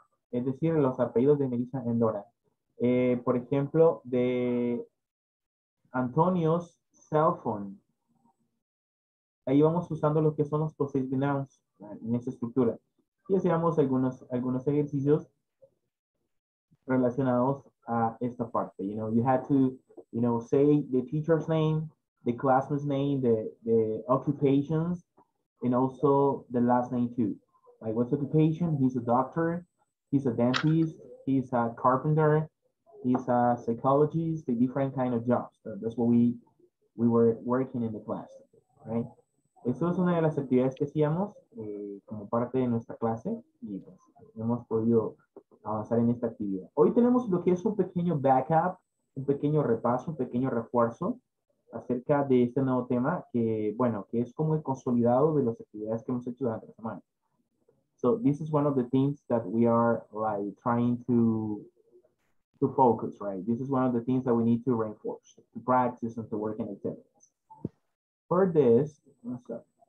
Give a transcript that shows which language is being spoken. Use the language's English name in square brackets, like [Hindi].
[Spanish] Es decir, los apellidos de Melissa Endora. Por ejemplo, de [English] Antonio's cell phone. [Spanish] Ahí vamos usando lo que son los possessive nouns en esa estructura. Y hacíamos algunos ejercicios relacionados a esta parte. [English] You know, you had to, you know, say the teacher's name, the classmate's name, the occupations, and also the last name too. Like, what's the occupation? He's a doctor, he's a dentist, he's a carpenter, he's a psychologist, the different kind of jobs. So that's what we were working in the class, right? [Spanish] Eso es una de las actividades que hacíamos como parte de nuestra clase y pues, hemos podido avanzar en esta actividad. Hoy tenemos lo que es un pequeño backup, un pequeño repaso, un pequeño refuerzo acerca de este nuevo tema que, bueno, que es como el consolidado de las actividades que hemos hecho durante la semana. [English] So this is one of the things that we are like trying to focus, right? This is one of the things that we need to reinforce, to practice and to work in activities. For this, okay.